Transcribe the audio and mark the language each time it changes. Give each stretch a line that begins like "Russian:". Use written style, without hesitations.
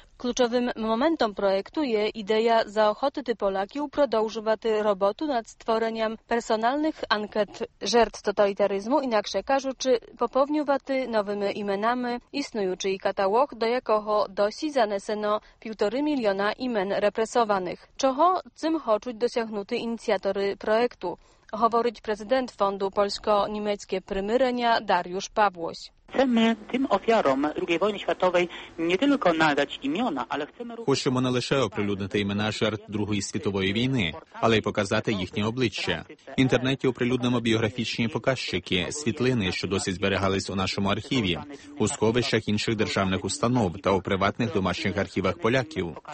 Ukrainian: Ключовим моментом проєкту є ідея заохотити Поляків продовжувати роботу над створенням персональних анкет жертв тоталітаризму, інакше кажучи, поповнювати новими іменами існуючий каталог, до якого досі занесено 1,5 мільйона імен репресованих. Чого цим хочуть досягнути ініціатори проєкту, говорить президент Фонду Польсько-Німецьке примирення Дар'юш Павłoś.
Polish: Chcemy tym ofiarom II wojny światowej nie tylko nadać imiona, ale chcemy również...
Ukrainian: Хочемо не лише оприлюднити імена жертв Другої світової війни, але й показати їхнє обличчя. В інтернеті оприлюднимо біографічні показчики, світлини, що досі зберігались у нашому архіві, у сховищах інших державних установ та у приватних домашніх архівах поляків.